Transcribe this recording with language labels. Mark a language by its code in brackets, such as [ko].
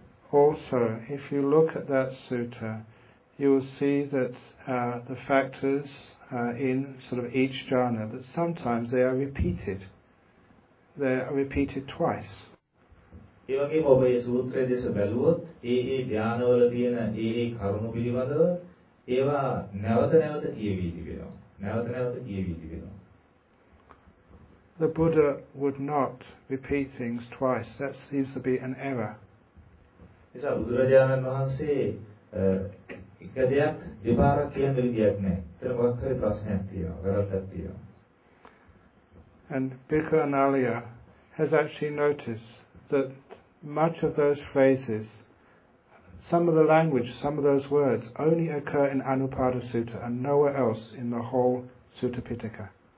[en] Also, if you look at that sutta, you will see that the factors in sort of each jhana, that sometimes they are repeated. They are repeated twice. [si] ඒ වගේම ඔබ මේ සූත්‍රය දෙස බැලුවොත් ඒ ධානවල තියෙන ඒ කරුණු පිළිබඳව ඒවා නැවත නැවත කියවි තිබෙනවා නැවත නැවත කියවි තිබෙනවා [en] The Buddha would not repeat things twice. That seems to be an error. [si] එසා බුදුරජාණන් වහන්සේ එක දෙයක් දෙපාරක් කියන විදියක් නැහැ. ඒක මොකක් හරි ප්‍රශ්නයක් තියෙනවා. වැරද්දක් තියෙනවා. [en] And Bhikkhu Anālaya has actually noticed that much of those phrases, some of the language, some of those words, only occur in Anupada Sutta and nowhere else in the whole Sutta Pitaka.